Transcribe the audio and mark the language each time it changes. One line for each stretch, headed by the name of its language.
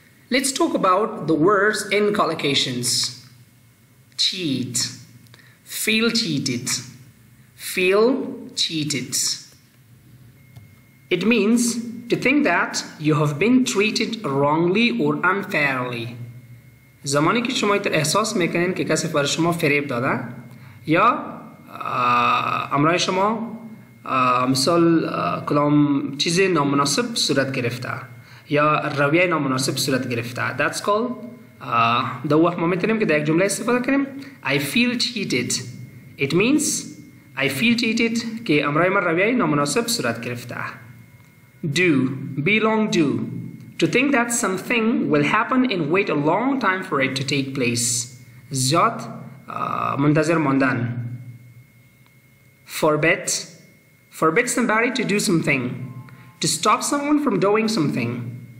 English: Let's talk about the words in collocations. Cheat. Feel cheated. Feel cheated. It means to think that you have been treated wrongly or unfairly.
Persian: زمانی که شما اینطور احساس میکنین که کسی بر شما فریب داده یا امرای شما مثال کلام چیز نامناسب صورت گرفته یا رویه نامناسب صورت گرفته.
English: That's called
Persian: دو وقت ما میتونیم که در یک جمله استفاده کنیم
English: I feel cheated. It means I feel cheated
Persian: که امرای من رویه نامناسب صورت گرفته.
English: Do, be long due. To think that something will happen and wait a long time for it to take place.
Persian: Ziyad muntazir mondan.
English: Forbid, forbid somebody to do something, to stop someone from doing something.